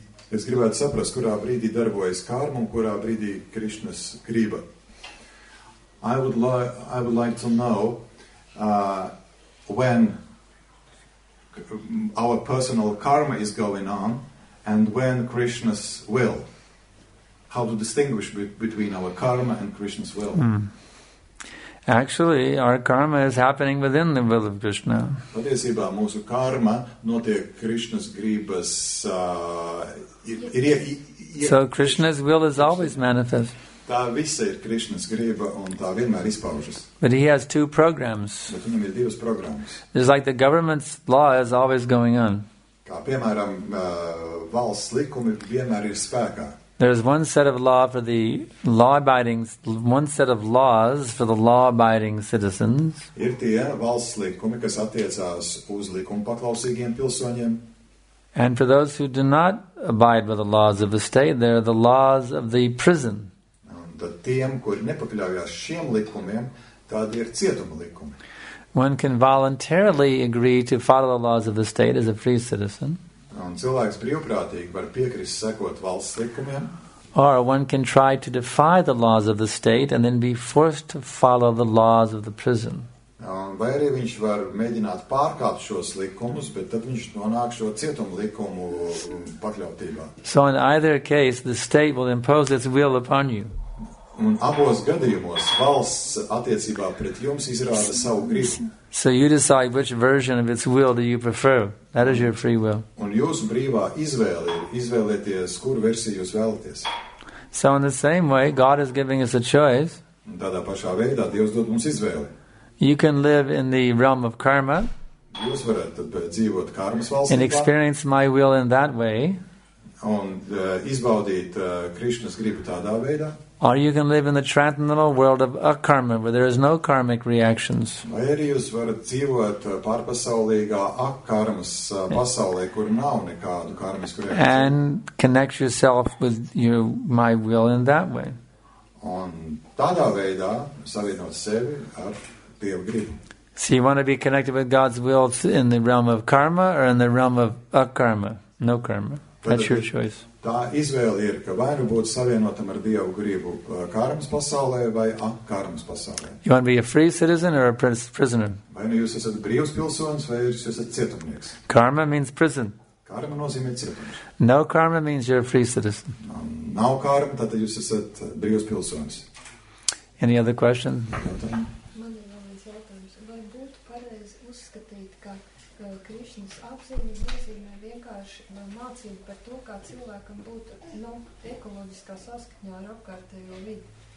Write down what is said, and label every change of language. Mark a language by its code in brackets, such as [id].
[lv] Es gribētu saprast, kurā brīdī darbojas karma un kurā brīdī Krišnas grība. [en] I would like to know when our personal karma is going on and when Krishna's will. How to distinguish between our karma and Krishna's will. Mm. Actually, our karma is happening within the will of Krishna. [lv] Patiesībā mūsu karma notiek Krishna's grības [en] So Krishna's will is always manifest. [lv] Tā visa ir Krišnas griba un tā vienmēr izpaužas. [en] But he has two programs. [lv] Bet viņam ir divas programmas. [en] It's like the government's law is always going on. [lv] Kā piemēram, valsts likumi vienmēr ir spēkā. [en] There is one set of law for the law-abiding, one set of laws for the law-abiding citizens. [lv] Ir tie valsts likumi, kas attiecās uz likumpaklausīgiem pilsoņiem. [en] And for those who do not abide by the laws of the state, there are the laws of the prison. [lv] Tad tiem, kuri nepakļaujās šiem likumiem, tad ir cietuma likumi. [en] One can voluntarily agree to follow the laws of the state as a free citizen. [lv] Un cilvēks brīvprātīgi var piekrist sekot valsts likumiem. [en] Or one can try to defy the laws of the state and then be forced to follow the laws of the prison. [lv] Vai arī viņš var mēģināt pārkāpt šos likumus, bet tad viņš nonāk šo cietuma likumu pakļautībā. [en] So in either case, the state will impose its will upon you. [lv] Un abos gadījumos valsts attiecībā pret jums izrāda savu gribu. [en] So you decide which version of its will do you prefer. That is your free will. [lv] Un jūsu brīvā izvēle ir izvēlēties, kuru versiju jūs vēlaties. [en] So in the same way, God is giving us a choice. [lv] Tādā pašā veidā Dievs dod mums izvēli. [en] You can live in the realm of karma. [lv] Jūs varat dzīvot karmas valstībā. [en] And experience my will in that way. [lv] Un izbaudīt Krišnas gribu tādā veidā. [en] Or you can live in the transcendental world of akarma, where there is no karmic reactions. [lv] Vai arī jūs varat dzīvot pārpasaulīgā akarmas pasaulē, kur nav nekādu karmisku reakciju. [en] And connect yourself with your, my will in that way. [lv] Un tādā veidā savienot sevi ar Dievu gribu. [en] So you want to be connected with God's will in the realm of karma or in the realm of akarma, no karma. That's your choice. [lv] Tā izvēle ir, ka vai nu būt savienotam ar Dievu gribu karmas pasaulē vai akarmas pasaulē. [en] You want to be a free citizen or a prisoner? [lv] Vai nu jūs esat brīvs pilsonis vai jūs esat cietumnieks? [en] Karma means prison. [lv] Karma nozīmē cietums. [en] No karma means you're a free citizen. [lv] Nav karma, tātad jūs esat brīvs pilsonis. [en] Any other question? [lv] Man ir vēl viens jautājums. Vai būtu pareizi uzskatīt, ka Krišnas apziņas nozīmē vienkārši mācību par to, kā cilvēkam būtu no ekoloģiskā saskaņā ar apkārtējo vidi?